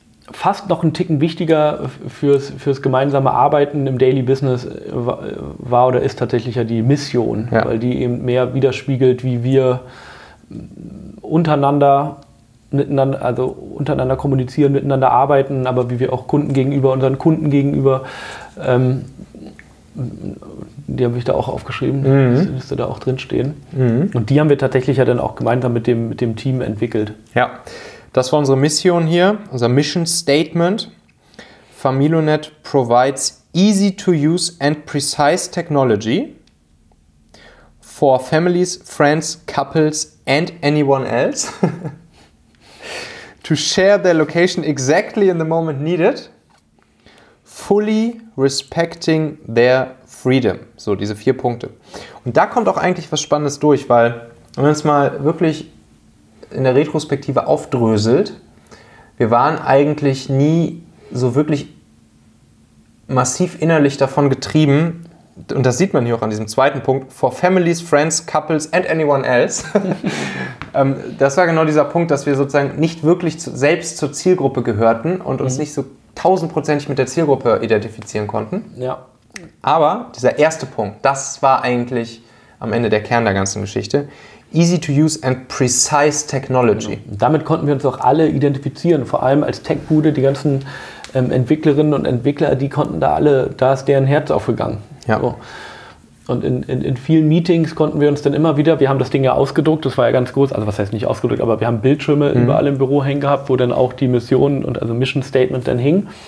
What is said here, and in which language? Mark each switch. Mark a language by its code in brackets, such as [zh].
[de] Fast noch ein Ticken wichtiger fürs gemeinsame Arbeiten im Daily Business war oder ist tatsächlich ja die Mission, ja, weil die eben mehr widerspiegelt, wie wir untereinander miteinander, also untereinander kommunizieren, miteinander arbeiten, aber wie wir auch Kunden gegenüber, unseren Kunden gegenüber, die habe ich da auch aufgeschrieben, das müsste da auch drinstehen. Und die haben wir tatsächlich ja dann auch gemeinsam mit dem Team entwickelt. Ja, das war unsere Mission hier, unser Mission Statement. [en] Familionet provides easy to use and precise technology for families, friends, couples and anyone else. To share their location exactly in the moment needed, fully respecting their freedom. [de] So, diese 4 Punkte. Und da kommt auch eigentlich was Spannendes durch, weil wenn man es mal wirklich in der Retrospektive aufdröselt, wir waren eigentlich nie so wirklich massiv innerlich davon getrieben, und das sieht man hier auch an diesem zweiten Punkt, [en] for families, friends, couples and anyone else. [de] Das war genau dieser Punkt, dass wir sozusagen nicht wirklich selbst zur Zielgruppe gehörten und uns nicht so 1000%ig mit der Zielgruppe identifizieren konnten. Ja. Aber dieser erste Punkt, das war eigentlich am Ende der Kern der ganzen Geschichte. [en] Easy to use and precise technology. [de] Genau. Und damit konnten wir uns auch alle identifizieren, vor allem als Tech-Bude, die ganzen Entwicklerinnen und Entwickler, die konnten da alle, da ist deren Herz aufgegangen. Ja. So. Und in vielen Meetings konnten wir uns dann immer wieder, wir haben das Ding ja ausgedruckt, das war ja ganz groß, also was heißt nicht ausgedruckt, aber wir haben Bildschirme überall im Büro hängen gehabt, wo dann auch die Mission und also Mission Statement dann hing.